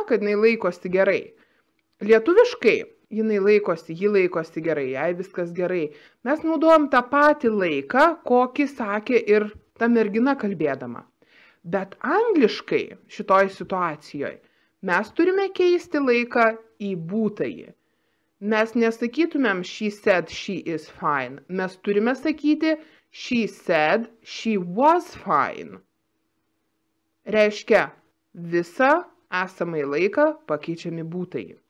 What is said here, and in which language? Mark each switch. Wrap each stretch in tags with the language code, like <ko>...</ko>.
<lt>Kad jinai laikosi gerai. Lietuviškai ji laikosi gerai, jai viskas gerai. Mes naudojam tą patį laiką, kokį sakė ir ta mergina kalbėdama. Bet angliškai šitoj situacijoje mes turime keisti laiką į būtąjį. Mes nesakytumėm</lt> <en>she said she is fine.</en> <lt>Mes turime sakyti</lt> <en>she said she was fine.</en> <lt>Reiškia, visą esamąjį laiką pakeičiami būtai.</lt>